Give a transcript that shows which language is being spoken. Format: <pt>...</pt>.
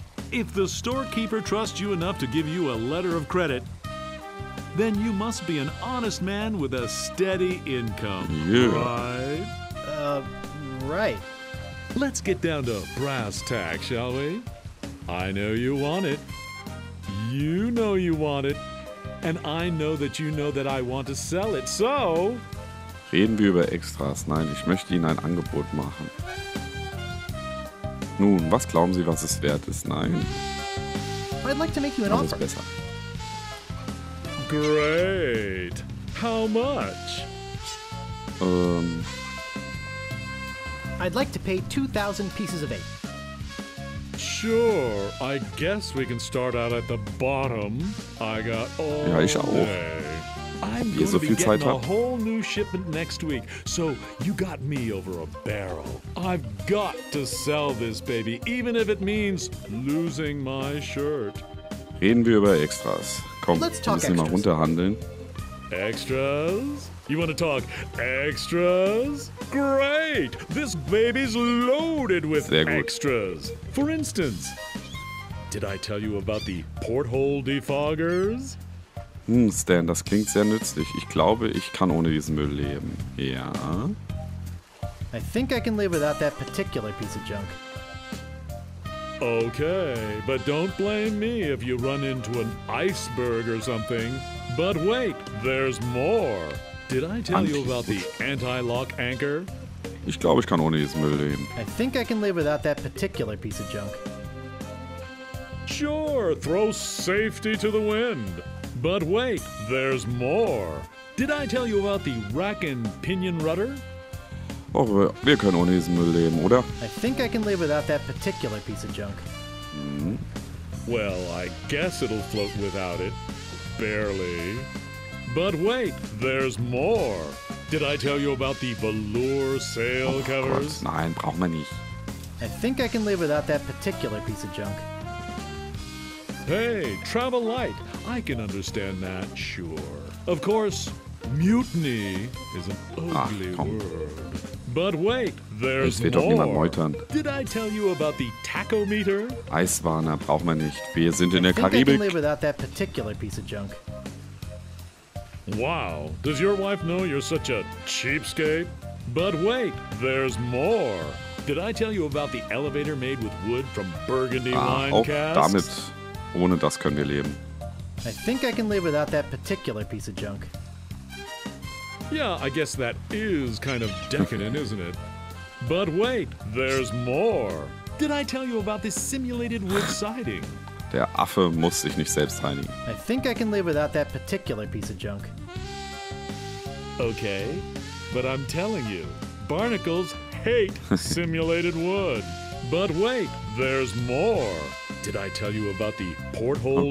<en>If the storekeeper trusts you enough to give you a letter of credit, then you must be an honest man with a steady income, right? Right. Let's get down to brass tack, shall we? I know you want it. You know you want it. And I know that I want to sell it, so...</en> <de>Reden wir über Extras? Nein, ich möchte Ihnen ein Angebot machen. Nun, was glauben Sie, was es wert ist? Nein.</de> <en>I'd like to make you an offer.</en> <de>Das ist besser.</de> <en>Great. How much? I'd like to pay 2,000 pieces of eight. Sure, I guess we can start out at the bottom. I got all</en> <de>day. Ja, ich auch.</de> <en>I'm going to be getting a whole new shipment next week, so you got me over a barrel. I've got to sell this baby, even if it means losing my shirt.</en> <de>Reden wir über Extras. Komm,</de> <en>let's talk</en> <de>extras. Mal runterhandeln.</de> <en>Extras? You want to talk extras? Great! This baby's loaded with extras. For instance, did I tell you about the porthole defoggers?</en> <de>Stan, das klingt sehr nützlich. Ich glaube, ich kann ohne diesen Müll leben. Ja.</de> <en>I think I can live without that particular piece of junk. Okay, but don't blame me if you run into an iceberg or something. But wait, there's more. Did I tell you about the anti-lock anchor?</en> <de>Ich glaube, ich kann ohne diesen Müll leben.</de> <en>I think I can live without that particular piece of junk. Sure, throw safety to the wind. But wait, there's more. Did I tell you about the rack and pinion rudder?</en> <de>Oh, wir können ohne diesen Müll leben, oder?</de> <en>I think I can live without that particular piece of junk. Well, I guess it'll float without it. Barely. But wait, there's more. Did I tell you about the velour sail covers?</en> <de>Gott, nein, braucht man nicht.</de> <en>I think I can live without that particular piece of junk. Hey, travel light. I can understand that, sure. Of course, mutiny is an ugly word. But wait, there's</en> <de>more. Es wird doch niemand meutern.</de> <en>Did I tell you about the tachometer?</en> <de>Eiswarner braucht man nicht. Wir sind in der Karibik.</de> <en>I think I can live without that particular piece of junk. Wow, does your wife know you're such a cheapskate? But wait, there's more. Did I tell you about the elevator made with wood from Burgundy wine casks?</en> <de>Auch damit, ohne das können wir leben.</de> <en>I think I can live without that particular piece of junk. Yeah, I guess that is kind of decadent, isn't it? But wait, there's more. Did I tell you about this simulated wood siding?</en> <de>Der Affe muss sich nicht selbst reinigen.</de> <en>I think I can live without that particular piece of junk. Okay, but I'm telling you, barnacles hate simulated wood. But wait, there's more. Did I tell you about the porthole</en>